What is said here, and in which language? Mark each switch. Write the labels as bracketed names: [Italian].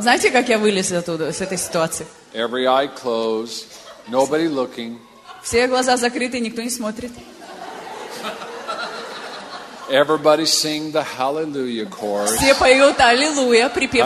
[Russian] Знаете, как я вылез оттуда, с этой ситуации? [English] Every eye closed, nobody looking. [Russian] Все глаза закрыты, никто не смотрит. [English] Everybody sing the hallelujah chorus. [Russian] Все поют аллилуйя, припев